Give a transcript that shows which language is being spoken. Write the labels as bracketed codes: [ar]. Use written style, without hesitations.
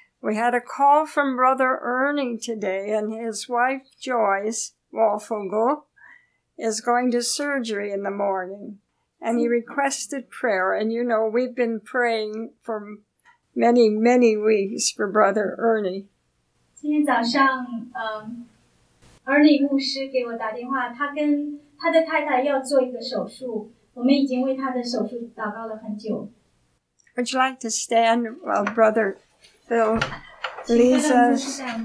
[en] We had a call from Brother Ernie today, and his wife, Joyce Wolfogel, is going to surgery in the morning. And he requested prayer. And you know, we've been praying for many, many weeks for Brother Ernie. [zh] 今天早上Ernie 牧师给我打电话，他跟他的太太要做一个手术。我们已经为他的手术祷告了很久。 [en] Would you like to stand while Brother Phil leads us?